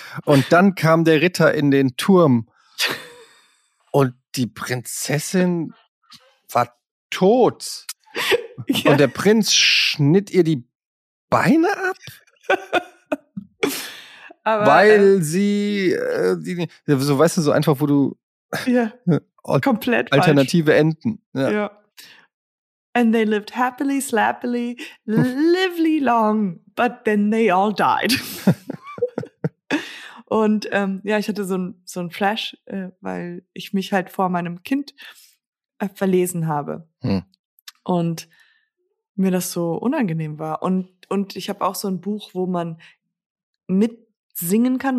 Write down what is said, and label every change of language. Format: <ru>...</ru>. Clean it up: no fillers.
<de>Und dann kam der Ritter in den Turm und die Prinzessin war tot. Ja. Und der Prinz schnitt ihr die Beine ab, aber, weil sie, so weißt du, so einfach, wo du komplett alternative falsch. Enden. Ja.</de> <en>And they lived happily, slappily, lively long, but then they all died.</en> <de>Und ich hatte so ein Flash, weil ich mich halt vor meinem Kind verlesen habe. Hm. Und mir das so unangenehm war. Und ich habe auch so ein Buch, wo man mitsingen kann.</de>